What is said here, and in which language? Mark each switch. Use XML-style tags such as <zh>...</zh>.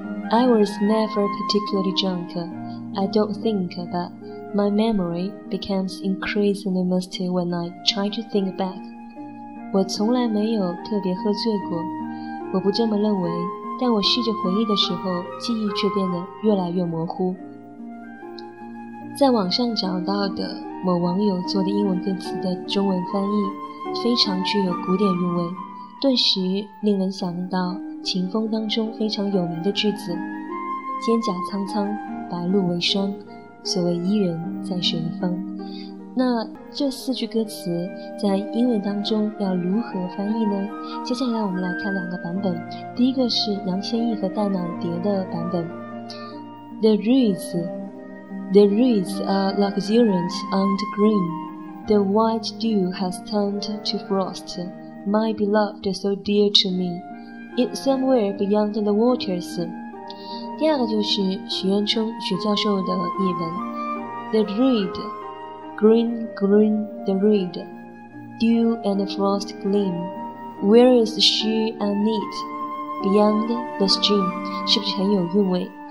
<en>I was never particularly drunk, I don't think, but my memory becomes increasingly misty when I try to think back.</en> <zh>我从来没有特别喝醉过，我不这么认为，但我试着回忆的时候，记忆却变得越来越模糊。在网上找到的某网友做的英文歌词的中文翻译，非常具有古典韵味，顿时令人想到秦风当中非常有名的句子，蒹葭苍苍，白露为霜，所谓伊人在水一方。那这四句歌词在英文当中要如何翻译呢？接下来我们来看两个版本。第一个是杨千亿和戴乃蝶的版本。</zh> <en>The reeds are luxuriant and green, The white dew has turned to frost, My beloved so dear to meIt's somewhere beyond the waters.</en> <zh>第二个就是许渊冲许教授的译文。</zh> <en>The reed, green, green, the reed, Dew and frost gleam, Where is she and neat, Beyond the stream,</en> <zh>是不是很有韵味？</zh>